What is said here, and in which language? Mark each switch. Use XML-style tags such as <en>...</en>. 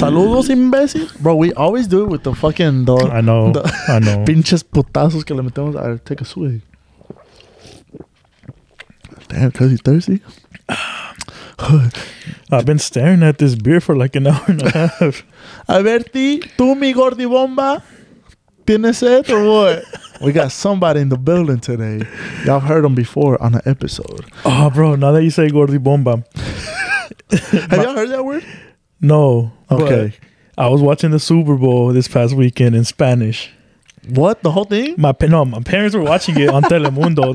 <es>Saludos, imbécil.</es> <en>Bro, we always do it with the fucking dog. I know. The I know.</en> <es>Pinches putazos que le metemos.</es> <en>All right, take a swig. Damn, cuz he's thirsty. I've been staring at this beer for like an hour and a half.</en> <es>A ver, ti, tú, mi gordibomba, ¿tienes sed</es> <en>or what? We got somebody in the building today. Y'all heard him before on an episode. Oh, bro, now that you say gordibomba. Have y'all heard that word? No. Okay. I was watching the Super Bowl this past weekend in Spanish. What? The whole thing? My parents were watching it on Telemundo.</en>